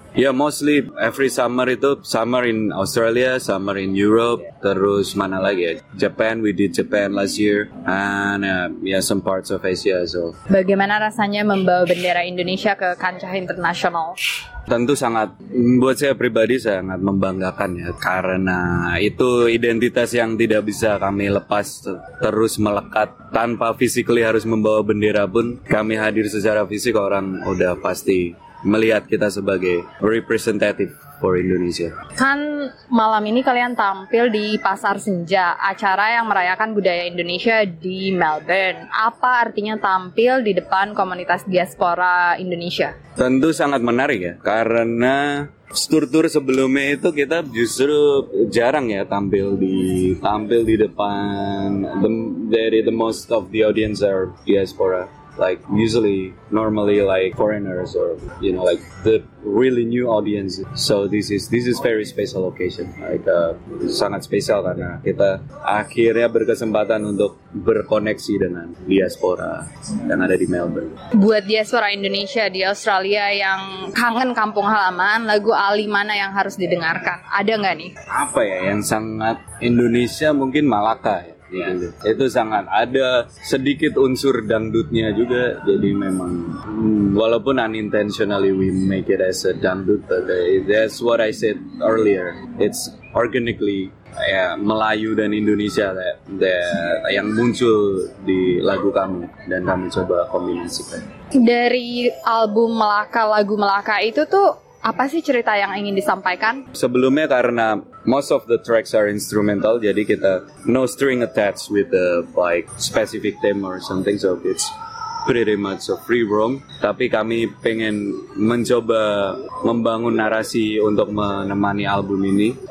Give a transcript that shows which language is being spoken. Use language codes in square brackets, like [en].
[en] Yeah, mostly every summer itu, summer in Australia, summer in Europe, yeah. [id] Terus mana lagi ya? [en] Japan, we did Japan last year, and some parts of Asia, so. [id] Bagaimana rasanya membawa bendera Indonesia ke kancah internasional? Tentu sangat, buat saya pribadi sangat membanggakan ya, karena itu identitas yang tidak bisa kami lepas, terus melekat tanpa physically harus membawa bendera pun. Kami hadir secara fisik, orang udah pasti melihat kita sebagai [en] representative for Indonesia. [id] Kan malam ini kalian tampil di Pasar Senja, acara yang merayakan budaya Indonesia di Melbourne. Apa artinya tampil di depan komunitas diaspora Indonesia? Tentu sangat menarik ya, karena struktur sebelumnya itu kita justru jarang ya tampil di depan [en] the most of the audience are diaspora. Like usually, normally like foreigners or you know like the really new audience. So this is very special occasion. [id] Like sangat spesial karena kita akhirnya berkesempatan untuk berkoneksi dengan diaspora yang ada di Melbourne. Buat diaspora Indonesia di Australia yang kangen kampung halaman, lagu Ali mana yang harus didengarkan? Ada nggak nih? Apa ya yang sangat Indonesia, mungkin Malaka ya. [en] Yeah. [id] Itu sangat ada sedikit unsur dangdutnya juga, jadi memang walaupun [en] unintentionally we make it as a dangdut, but that's what I said earlier. It's organically [id] Melayu dan Indonesia that yang muncul di lagu kami dan kami coba kombinasikan. Dari album Melaka, lagu Melaka itu tuh apa sih cerita yang ingin disampaikan? Sebelumnya karena [en] most of the tracks are instrumental, [id] jadi kita [en] no string attached with the like specific theme or something, so it's pretty much a free roam. [id] Tapi kami pengen mencoba membangun narasi untuk menemani album ini.